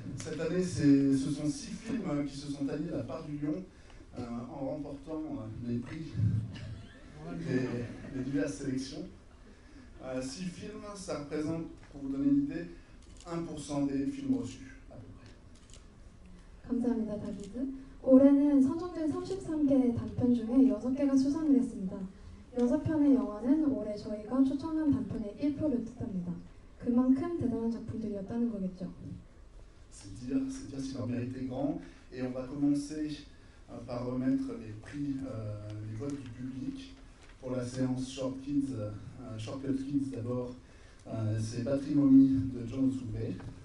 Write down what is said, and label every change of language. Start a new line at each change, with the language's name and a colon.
French: Cette année, ce sont 6 films qui se sont alliés à la part du lion en remportant les prix des diverses sélections. 6 films, ça représente, pour vous donner une idée, 1% des films reçus.
Korean: 감사합니다, 다비드. 올해는 선정된 33개의 단편 중에 6개가 수상을 했습니다. 6편의 영화는 올해 저희가 초청한 단편의 1%를 뜻합니다. 그만큼 대단한 작품들이었다는 거겠죠.
French: C'est dire si leur mérite est grand. Et on va commencer par remettre les prix, les votes du public pour la séance Short Kids. Short Cut Kids d'abord, c'est Patrimony de John Zoubet.